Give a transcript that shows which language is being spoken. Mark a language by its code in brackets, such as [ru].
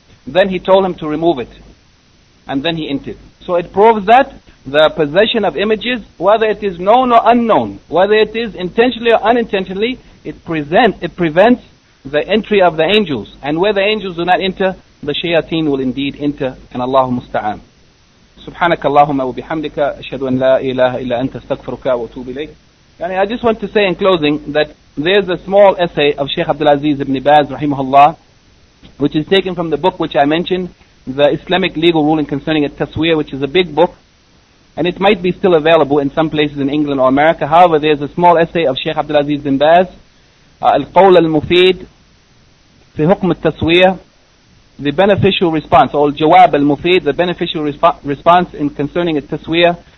[en] Then he told him to remove it, and then he entered. So it proves that the possession of images, whether it is known or unknown, whether it is intentionally or unintentionally, it prevents the entry of the angels. And where the angels do not enter, the shayateen will indeed enter, and Allahu musta'an. [ar] سبحانك اللهم وبحمدك أشهد أن لا إله إلا أنت استغفرك وأتوب إليك. [en] يعني I just want to say in closing that there's a small essay of Sheikh Abdul Aziz Ibn Baz رحمه الله, which is taken from the book which I mentioned, the Islamic legal ruling concerning التسوير, which is a big book, and it might be still available in some places in England or America. However, there's a small essay of Sheikh Abdul Aziz Ibn Baz, القول المفيد في حكم التسوير, the beneficial response, or Jawab al-Mufid, the beneficial response in concerning a taswir.